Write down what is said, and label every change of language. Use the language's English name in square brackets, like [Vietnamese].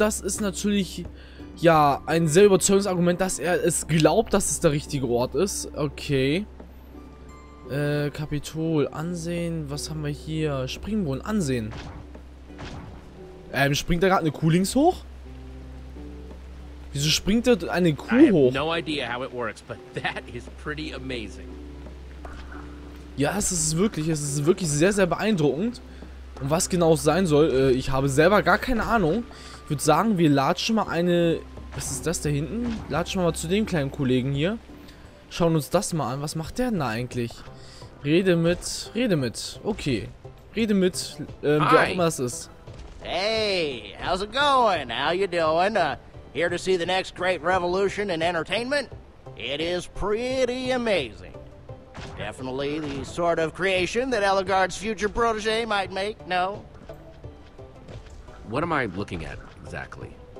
[German] Das ist natürlich... Ja, ein sehr überzeugendes Argument, dass er es glaubt, dass es der richtige Ort ist. Okay. Kapitol, Ansehen. Was haben wir hier? Springbrunnen, Ansehen. Springt da gerade eine Kuh links hoch? Wieso springt da eine Kuh hoch? [English] No idea how it works, but that is pretty amazing. [German] Ja, es ist wirklich sehr, sehr beeindruckend. Und was genau es sein soll, ich habe selber gar keine Ahnung. Ich würde sagen, wir latschen mal eine... Was ist das da hinten? Latschen wir mal zu dem kleinen Kollegen hier. Schauen uns das mal an. Was macht der denn da eigentlich? Rede mit. Okay. Rede mit, wie auch immer es ist. [English] Hey, how's it going? How you doing? Here to see the next great revolution in entertainment? It is pretty amazing. Definitely the sort of creation that Elagard's future protege might make, no? What am I looking at exactly?